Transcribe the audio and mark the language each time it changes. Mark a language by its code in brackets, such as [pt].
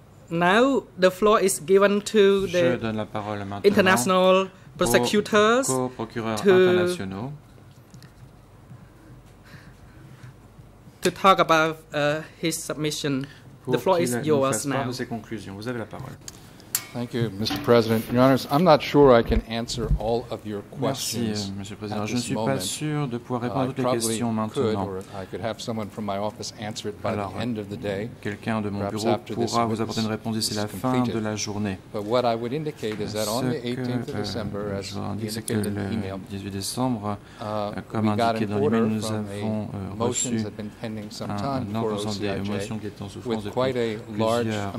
[en] Now the floor is given to the international prosecutors to talk about his submission. The floor is yours now. [fr] Vous avez la parole. [en] Thank you, Mr. President. Your Honors, I'm not sure I can answer all of your questions. [fr] Merci, Monsieur le Président. Je ne suis pas sûr de pouvoir répondre à toutes les questions maintenant. [en] I could have someone from my office answer it by the end of the day. [fr] Quelqu'un de mon bureau pourra vous apporter une réponse d'ici la fin de la journée. [en] But what I would indicate is that on the 18th of December, as indicated in the email, [fr] 18 décembre, comme indiqué dans l'email, nous avons reçu un ordre sans délai, une motion qui est en souffrance depuis plusieurs